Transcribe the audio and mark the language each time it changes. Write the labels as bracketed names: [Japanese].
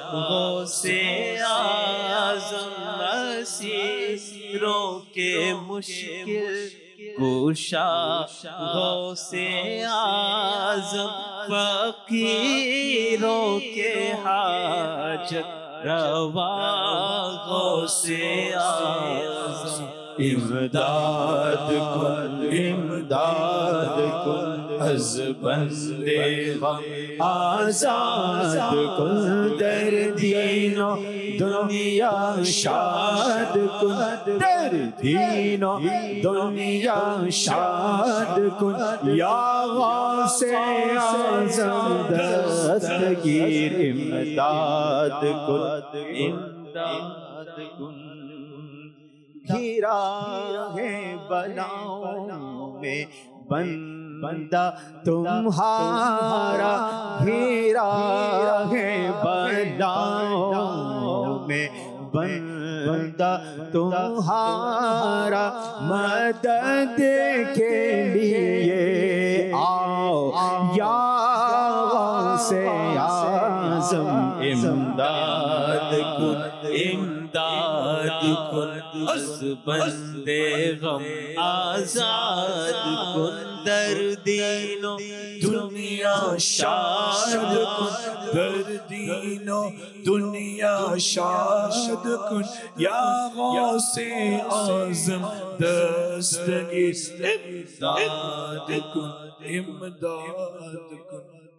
[Urdu] غوثِ اعظم اسیروں کے مشکل کوشا غوثِ اعظم فقیروں کے حاجت روا غوثِ اعظم [Persian] امداد کن امداد کن از بندے غم آزاد کن در دین و دنیا شاد کن در دین و دنیا شاد کن یا غوثِ اعظم دستگیر امداد کن امداد کن [Urdu] گھرا ہے بلاؤں میں بندہ تمہارا گھرا ہے بلاؤں میں بندہ تمہارا مدد کے لیے آؤ یا غوثِ اعظم اعظم [Persian] امداد کن امداد کن اس بندے غم آزاد کن در دین و دنیا شاد کن در دین و دنیا شاد کن یا غوث اعظم دستگیر امداد کن امداد کن